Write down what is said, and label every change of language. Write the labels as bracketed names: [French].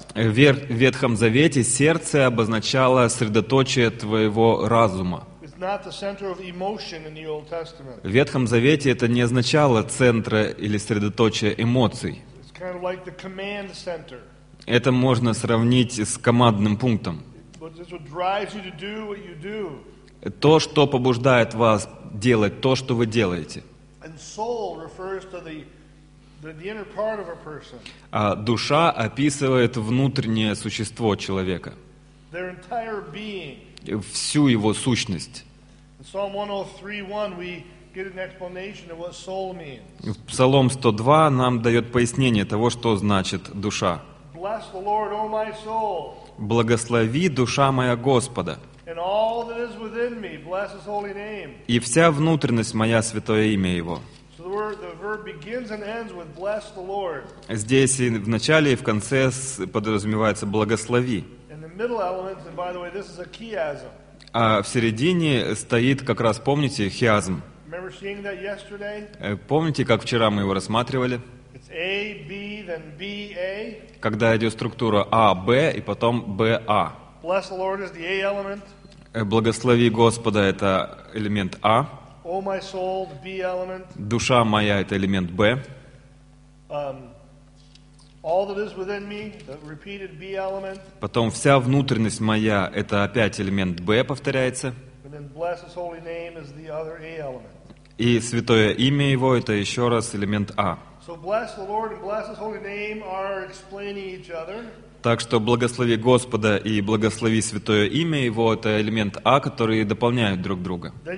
[Russian] В Ветхом Завете сердце обозначало средоточие твоего разума. [English] It's not the center of emotion in the Old Testament. [Russian] В Ветхом Завете это не означало центра или средоточие эмоций. [English] It's kind of like the command center. [Russian] Это можно сравнить с командным пунктом. [English] But this is what drives you to do what you do. [Russian] То, что побуждает вас делать то, что вы делаете. [English] And soul refers to the inner part of a person. [Russian] А душа описывает внутреннее существо человека. [English] Their entire being. [Russian] Всю его сущность. [English] In Psalm 103:1 we get an explanation of what soul means. [Russian] В Псалом 102 нам дает пояснение того, что значит душа. [English] Bless the Lord, O my soul. [Russian] Благослови, душа моя, Господа. [English] And all that is within me, bless his holy name. [Russian] И вся внутренность моя, святое имя его. [English] The verb begins and ends with bless the Lord. [Russian] Здесь и в начале, и в конце подразумевается благослови. [English] In the middle element, and by the way, this is a chiasm. [Russian] А в середине стоит как раз, помните, хиазм. [English] Remember seeing that yesterday? [Russian] Помните, как вчера мы его рассматривали? [English] It's A, B, then B, A. [Russian] Когда идет структура А, Б, и потом Б, А. [English] Bless the Lord is the A element. [Russian] Благослови Господа — это элемент А. [English] O my soul, the B element. [Russian] Душа моя — это элемент Б. [English] All that is within me, the repeated B element. [Russian] Потом вся внутренность моя — это опять элемент Б повторяется. [English] And then bless his holy name is the other A element. [Russian] И святое имя его — это еще раз элемент А. [English] So bless the Lord and bless his holy name are explaining each other. [Russian] Так что благослови Господа и благослови святое имя его — это элемент А, которые дополняют друг друга.